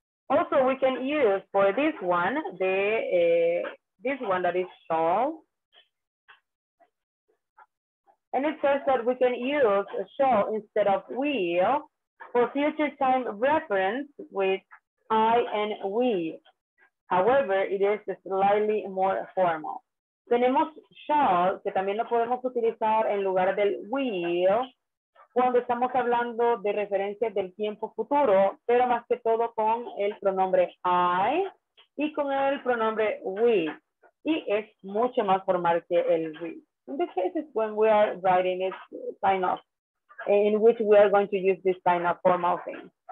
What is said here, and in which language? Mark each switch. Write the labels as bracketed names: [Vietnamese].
[English] Also, we can use for this one, the this one that is shall. And it says that we can use shall instead of will for future time reference with I and we. However, it is slightly more formal. [Spanish] Tenemos shall, que también lo podemos utilizar en lugar del will, cuando estamos hablando de referencias del tiempo futuro, pero más que todo con el pronombre I y con el pronombre we. Y es mucho más formal que el we. [English] In this case, it's when we are writing it kind of, in which we are going to use this kind of formal thing.